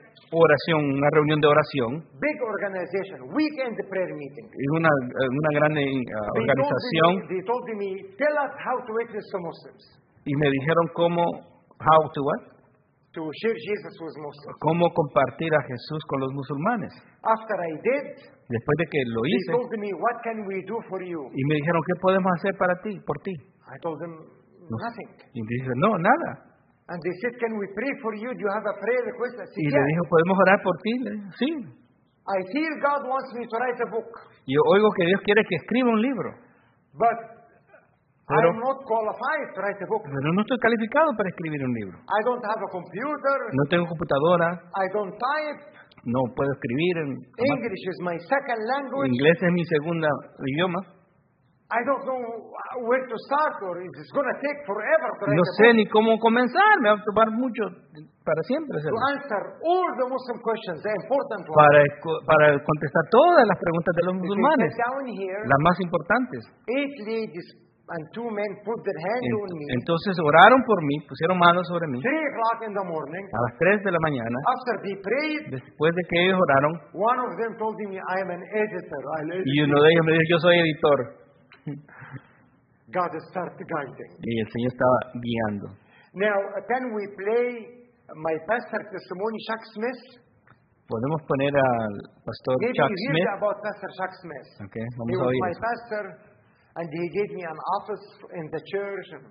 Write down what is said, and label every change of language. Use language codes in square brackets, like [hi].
[es] Oración, una reunión de oración. [en] Big organization, weekend prayer meeting. [es] Y una gran organización. [en] They told me, tell us how to witness to Muslims. [es] Y me dijeron cómo, [en] how to what? To share Jesus with Muslims. [es] Cómo compartir a Jesús con los musulmanes. [en] After I did, [es] después de que lo hice, [en] they told me, what can we do for you? [es] Y me dijeron, ¿qué podemos hacer para ti, por ti? [en] I told them, nothing. [es] Y me dijeron, no, nada. [en] And they said, can we pray for you? Do you have a prayer request? I said, [es] y le dijo, ¿podemos orar por ti? Sí. [en] I hear God wants me to write a book. [es] Yo oigo que Dios quiere que escriba un libro. [en] But [es] pero, [en] I'm not qualified to write a book. [es] Pero no estoy calificado para escribir un libro. [en] I don't have a computer. [es] No tengo computadora. [en] I don't type. [es] No puedo escribir. [en] English is my second language. [es] Inglés es mi segundo idioma. [en] I don't know where to start, or it's going to take forever. [es] No sé ni cómo comenzar. Me va a tomar mucho para siempre. [en] To answer all the Muslim questions, the important ones. [es] Para contestar todas las preguntas de los musulmanes. [en] Down here, [es] las más importantes. [en] Eight ladies and two men put their hands on me. [es] Entonces oraron por mí, pusieron manos sobre mí. [en] 3 o'clock in the morning. [es] A las 3 de la mañana. [en] After they prayed. [es] Después de que ellos oraron. [en] One of them told me, I am an editor. [es] Y uno de ellos me dijo, yo soy editor. [en] God started guiding. [es] Y el Señor estaba guiando. [en] Now, can we play my pastor testimony, Chuck Smith? [es] Podemos poner al pastor [en] Maybe Chuck you Smith. Maybe about Pastor Chuck Smith. [es] Okay, vamos a oír. [en] He was my pastor, and he gave me an office in the church.